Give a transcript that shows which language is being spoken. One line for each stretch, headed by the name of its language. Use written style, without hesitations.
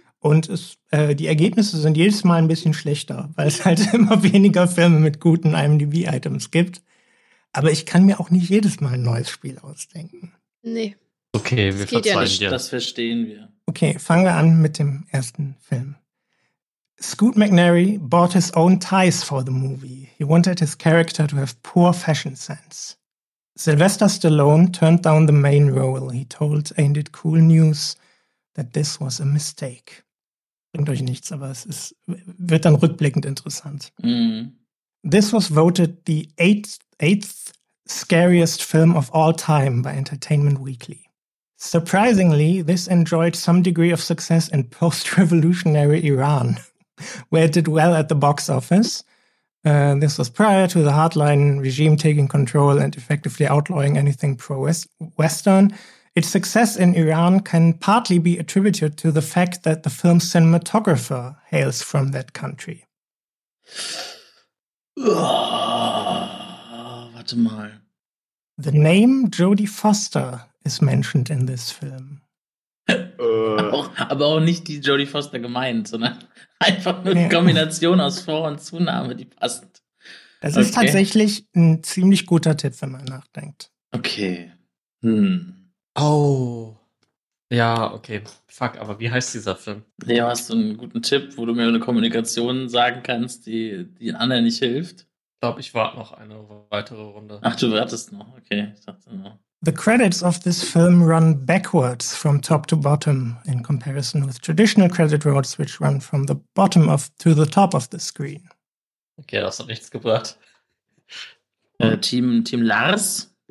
German: Und die Ergebnisse sind jedes Mal ein bisschen schlechter, weil es halt immer weniger Filme mit guten IMDb-Items gibt. Aber ich kann mir auch nicht jedes Mal ein neues Spiel ausdenken. Nee. Okay, wir verzeihen dir. Das verstehen wir. Okay, fangen wir an mit dem ersten Film.
English: Scoot McNairy bought his own ties for the movie. He wanted his character to have poor fashion sense. Sylvester Stallone turned down the main role. He told Ain't It Cool News that this was a mistake.
German: Bringt euch nichts, aber es ist, wird dann rückblickend interessant. Mm.
English: This was voted the eighth scariest film of all time by Entertainment Weekly. Surprisingly, this enjoyed some degree of success in post-revolutionary Iran, where it did well at the box office. This was prior to the hardline regime taking control and effectively outlawing anything pro-Western. Its success in Iran can partly be attributed to the fact that the film's cinematographer hails from that country.
German: Oh, warte mal.
English: The name Jodie Foster is mentioned in this film.
German: aber auch nicht die Jodie Foster gemeint, sondern einfach nur eine Kombination aus Vor- und Zunahme, die passt. Das ist tatsächlich ein ziemlich guter Tipp, wenn man nachdenkt. Okay. Oh. Ja, okay. Fuck, aber wie heißt dieser Film? Leo, hast du einen guten Tipp, wo du mir eine Kommunikation sagen kannst, die den anderen nicht hilft? glaube, ich warte noch eine weitere Runde. Ach, du wartest noch. Okay, ich dachte noch.
English: The credits of this film run backwards from top to bottom in comparison with traditional credit rolls, which run from the bottom of to the top of the screen.
German: Okay, das hat nichts gebracht. Team Lars.